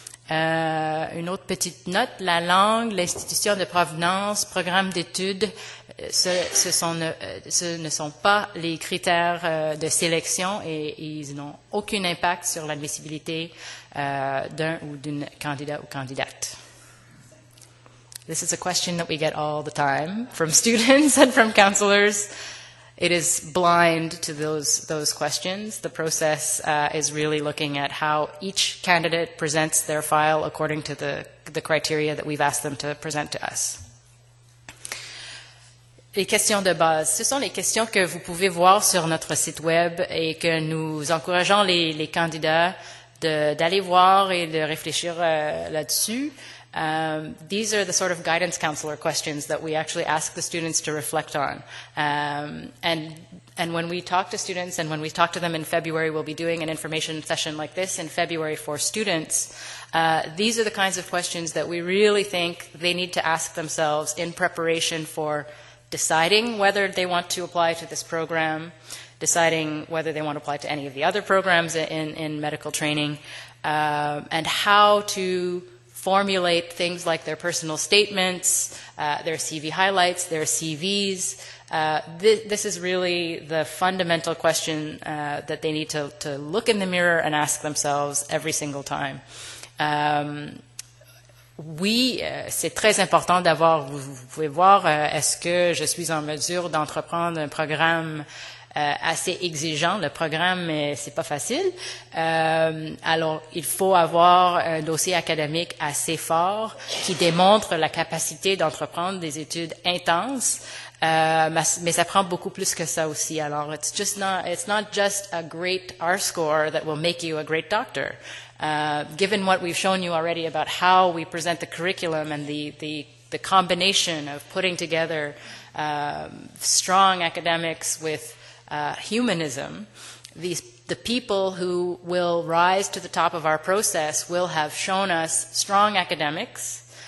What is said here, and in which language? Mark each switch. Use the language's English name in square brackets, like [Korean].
[French] Une autre petite note, la langue, l'institution de provenance, programme d'études, ce ne sont pas les critères de sélection et ils n'ont aucun impact sur l'admissibilité d'un ou d'une candidat ou candidate. [English] This is a question that we get all the time from students and from counselors. It is blind to those questions. The process is really looking at how each candidate presents their file according to the criteria that we've asked them to present to us. [French] Les questions de base, ce sont les questions que vous pouvez voir sur notre site web et que nous encourageons les candidats d'aller voir et de réfléchir là-dessus. [English] These are the sort of guidance counselor questions that we actually ask the students to reflect on. And when we talk to students and when we talk to them in February, we'll be doing an information session like this in February for students. These are the kinds of questions that we really think they need to ask themselves in preparation for deciding whether they want to apply to this program, deciding whether they want to apply to any of the other programs in medical training, and how to formulate things like their personal statements, their CV highlights, their CVs. This is really the fundamental question that they need to look in the mirror and ask themselves every single time. [French] Oui, c'est très important d'avoir, vous pouvez voir, est-ce que je suis en mesure d'entreprendre un programme assez exigeant. Le programme, c'est pas facile. Alors, il faut avoir un dossier académique assez fort qui démontre la capacité d'entreprendre des études intenses. Mais ça prend beaucoup plus que ça aussi. Alors, [English] it's not just a great R-score that will make you a great doctor. Given what we've shown you already about how we present the curriculum and the combination of putting together strong academics with humanism, the people who will rise to the top of our process will have shown us strong academics